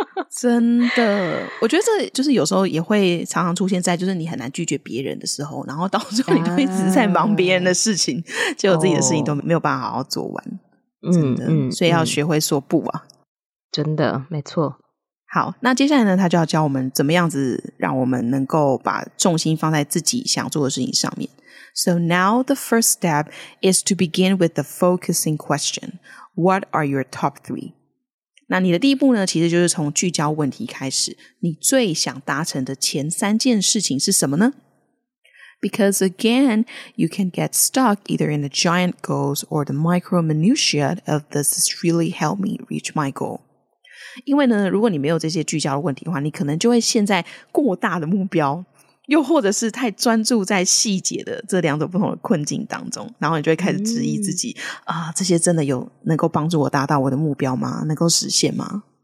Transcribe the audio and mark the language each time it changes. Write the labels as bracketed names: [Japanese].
[Chinese] 真的，我觉得这就是有时候也会常常出现在就是你很难拒绝别人的时候，然后到时候你都一直在忙别人的事情、结果自己的事情都没有办法好好做完。真的、嗯嗯、所以要学会说不啊、嗯、真的没错。好，那接下来呢他就要教我们怎么样子让我们能够把重心放在自己想做的事情上面。 [English] So now the first step is to begin with the focusing question. What are your top three? [Chinese] 那你的第一步呢其实就是从聚焦问题开始，你最想达成的前三件事情是什么呢？ [English] Because again, you can get stuck either in the giant goals or the micro minutiae of this really help me reach my goal. [Chinese] 因为呢，如果你没有这些聚焦的问题的话，你可能就会陷在过大的目标，又或者是太专注在细节的这两种不同的困境当中，然后你就会开始质疑自己，这些真的有能够帮助我达到我的目标吗？能够实现吗？